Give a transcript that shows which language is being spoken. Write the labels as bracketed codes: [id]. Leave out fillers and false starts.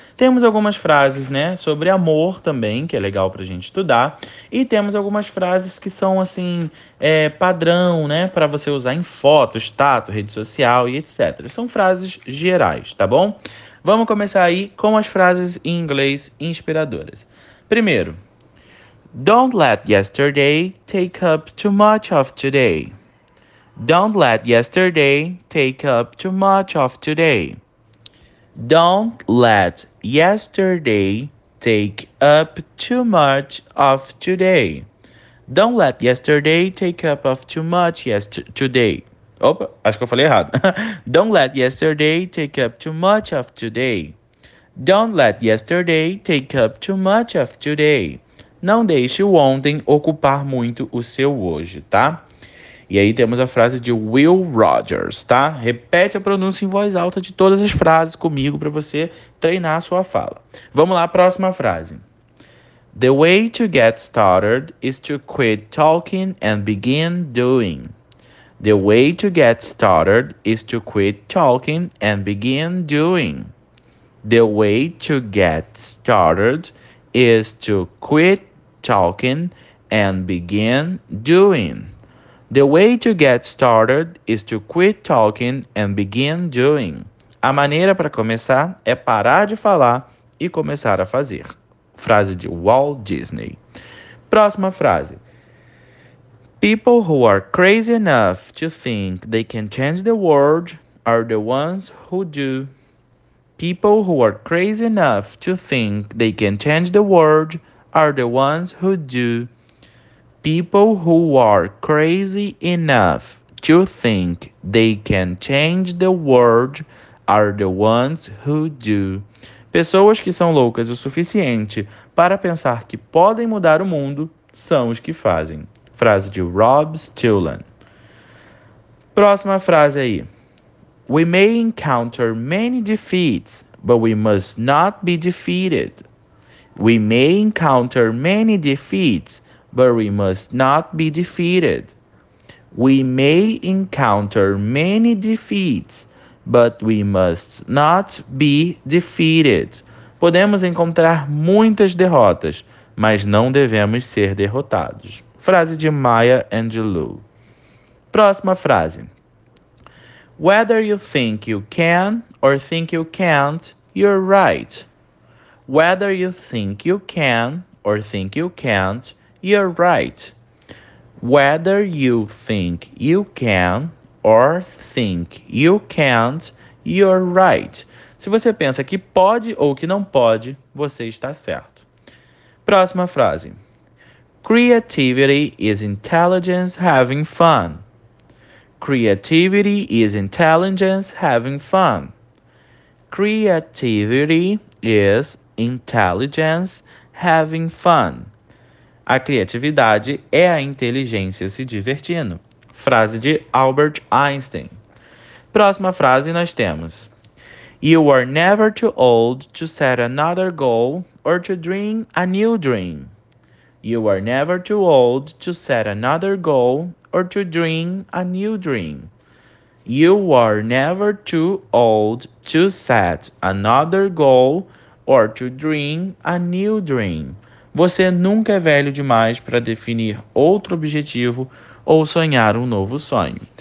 [pt] Temos algumas frases, né, sobre amor também, que é legal para a gente estudar. E temos algumas frases que são assim, padrão, né, para você usar em foto, status, rede social e etc. São frases gerais, tá bom? Vamos começar aí com as frases em inglês inspiradoras. Primeiro, [en] Don't let yesterday take up too much of today. Don't let yesterday take up too much of today. Don't let yesterday take up too much of today. Don't let yesterday take up of too much today. [pt] Opa, acho que eu falei errado. [en] Don't let yesterday take up too much of today. Don't let yesterday take up too much of today. [pt] Não deixe o ontem ocupar muito o seu hoje, tá? E aí temos a frase de Will Rogers, tá? Repete a pronúncia em voz alta de todas as frases comigo para você treinar a sua fala. Vamos lá, próxima frase. [en] The way to get started is to quit talking and begin doing. The way to get started is to quit talking and begin doing. The way to get started is to quit talking and begin doing. The way to get started is to quit talking and begin doing. [pt] A maneira para começar é parar de falar e começar a fazer. Frase de Walt Disney. Próxima frase. [en] People who are crazy enough to think they can change the world are the ones who do. People who are crazy enough to think they can change the world are the ones who do. People who are crazy enough to think they can change the world are the ones who do. [pt] Pessoas que são loucas o suficiente para pensar que podem mudar o mundo são os que fazem. Frase de Rob Stillman. Próxima frase aí. [en] We may encounter many defeats, but we must not be defeated. We may encounter many defeats, but we must not be defeated. We may encounter many defeats, but we must not be defeated. [pt] Podemos encontrar muitas derrotas, mas não devemos ser derrotados. Frase de Maya Angelou. Próxima frase. [en] Whether you think you can or think you can't, you're right. Whether you think you can or think you can't, you're right. Whether you think you can or think. You can't, you're right. [pt] Se você pensa que pode ou que não pode, você está certo. Próxima frase. [en] Creativity is intelligence having fun. Creativity is intelligence having fun. Creativity is intelligence having fun. [pt] A criatividade é a inteligência se divertindo. Frase de Albert Einstein. Próxima frase nós temos. [en] You are never too old to set another goal or to dream a new dream. You are never too old to set another goal or to dream a new dream. You are never too old to set another goal or to dream a new dream. [pt] Você nunca é velho demais para definir outro objetivo ou sonhar um novo sonho.